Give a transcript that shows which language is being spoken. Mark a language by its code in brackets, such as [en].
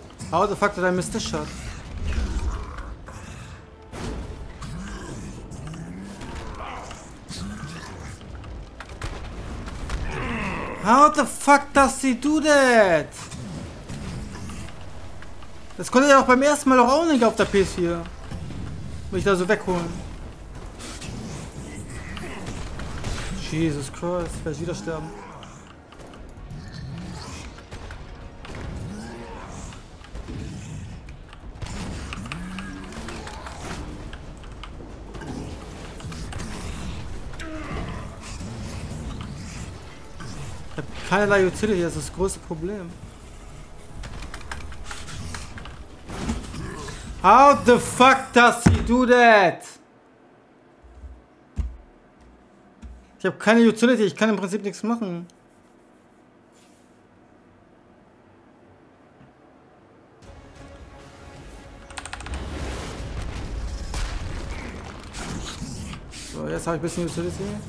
[en] How the fuck did I miss this shot? How the fuck does he do that? [de] Das konnte er auch beim ersten Mal auch nicht auf der PS4. Muss ich da so wegholen. Jesus Christ, werde ich wieder sterben. Keinerlei Utility, das ist das große Problem. [en] How the fuck does he do that? [de] Ich habe keine Utility, ich kann im Prinzip nichts machen. So, jetzt habe ich ein bisschen Utility.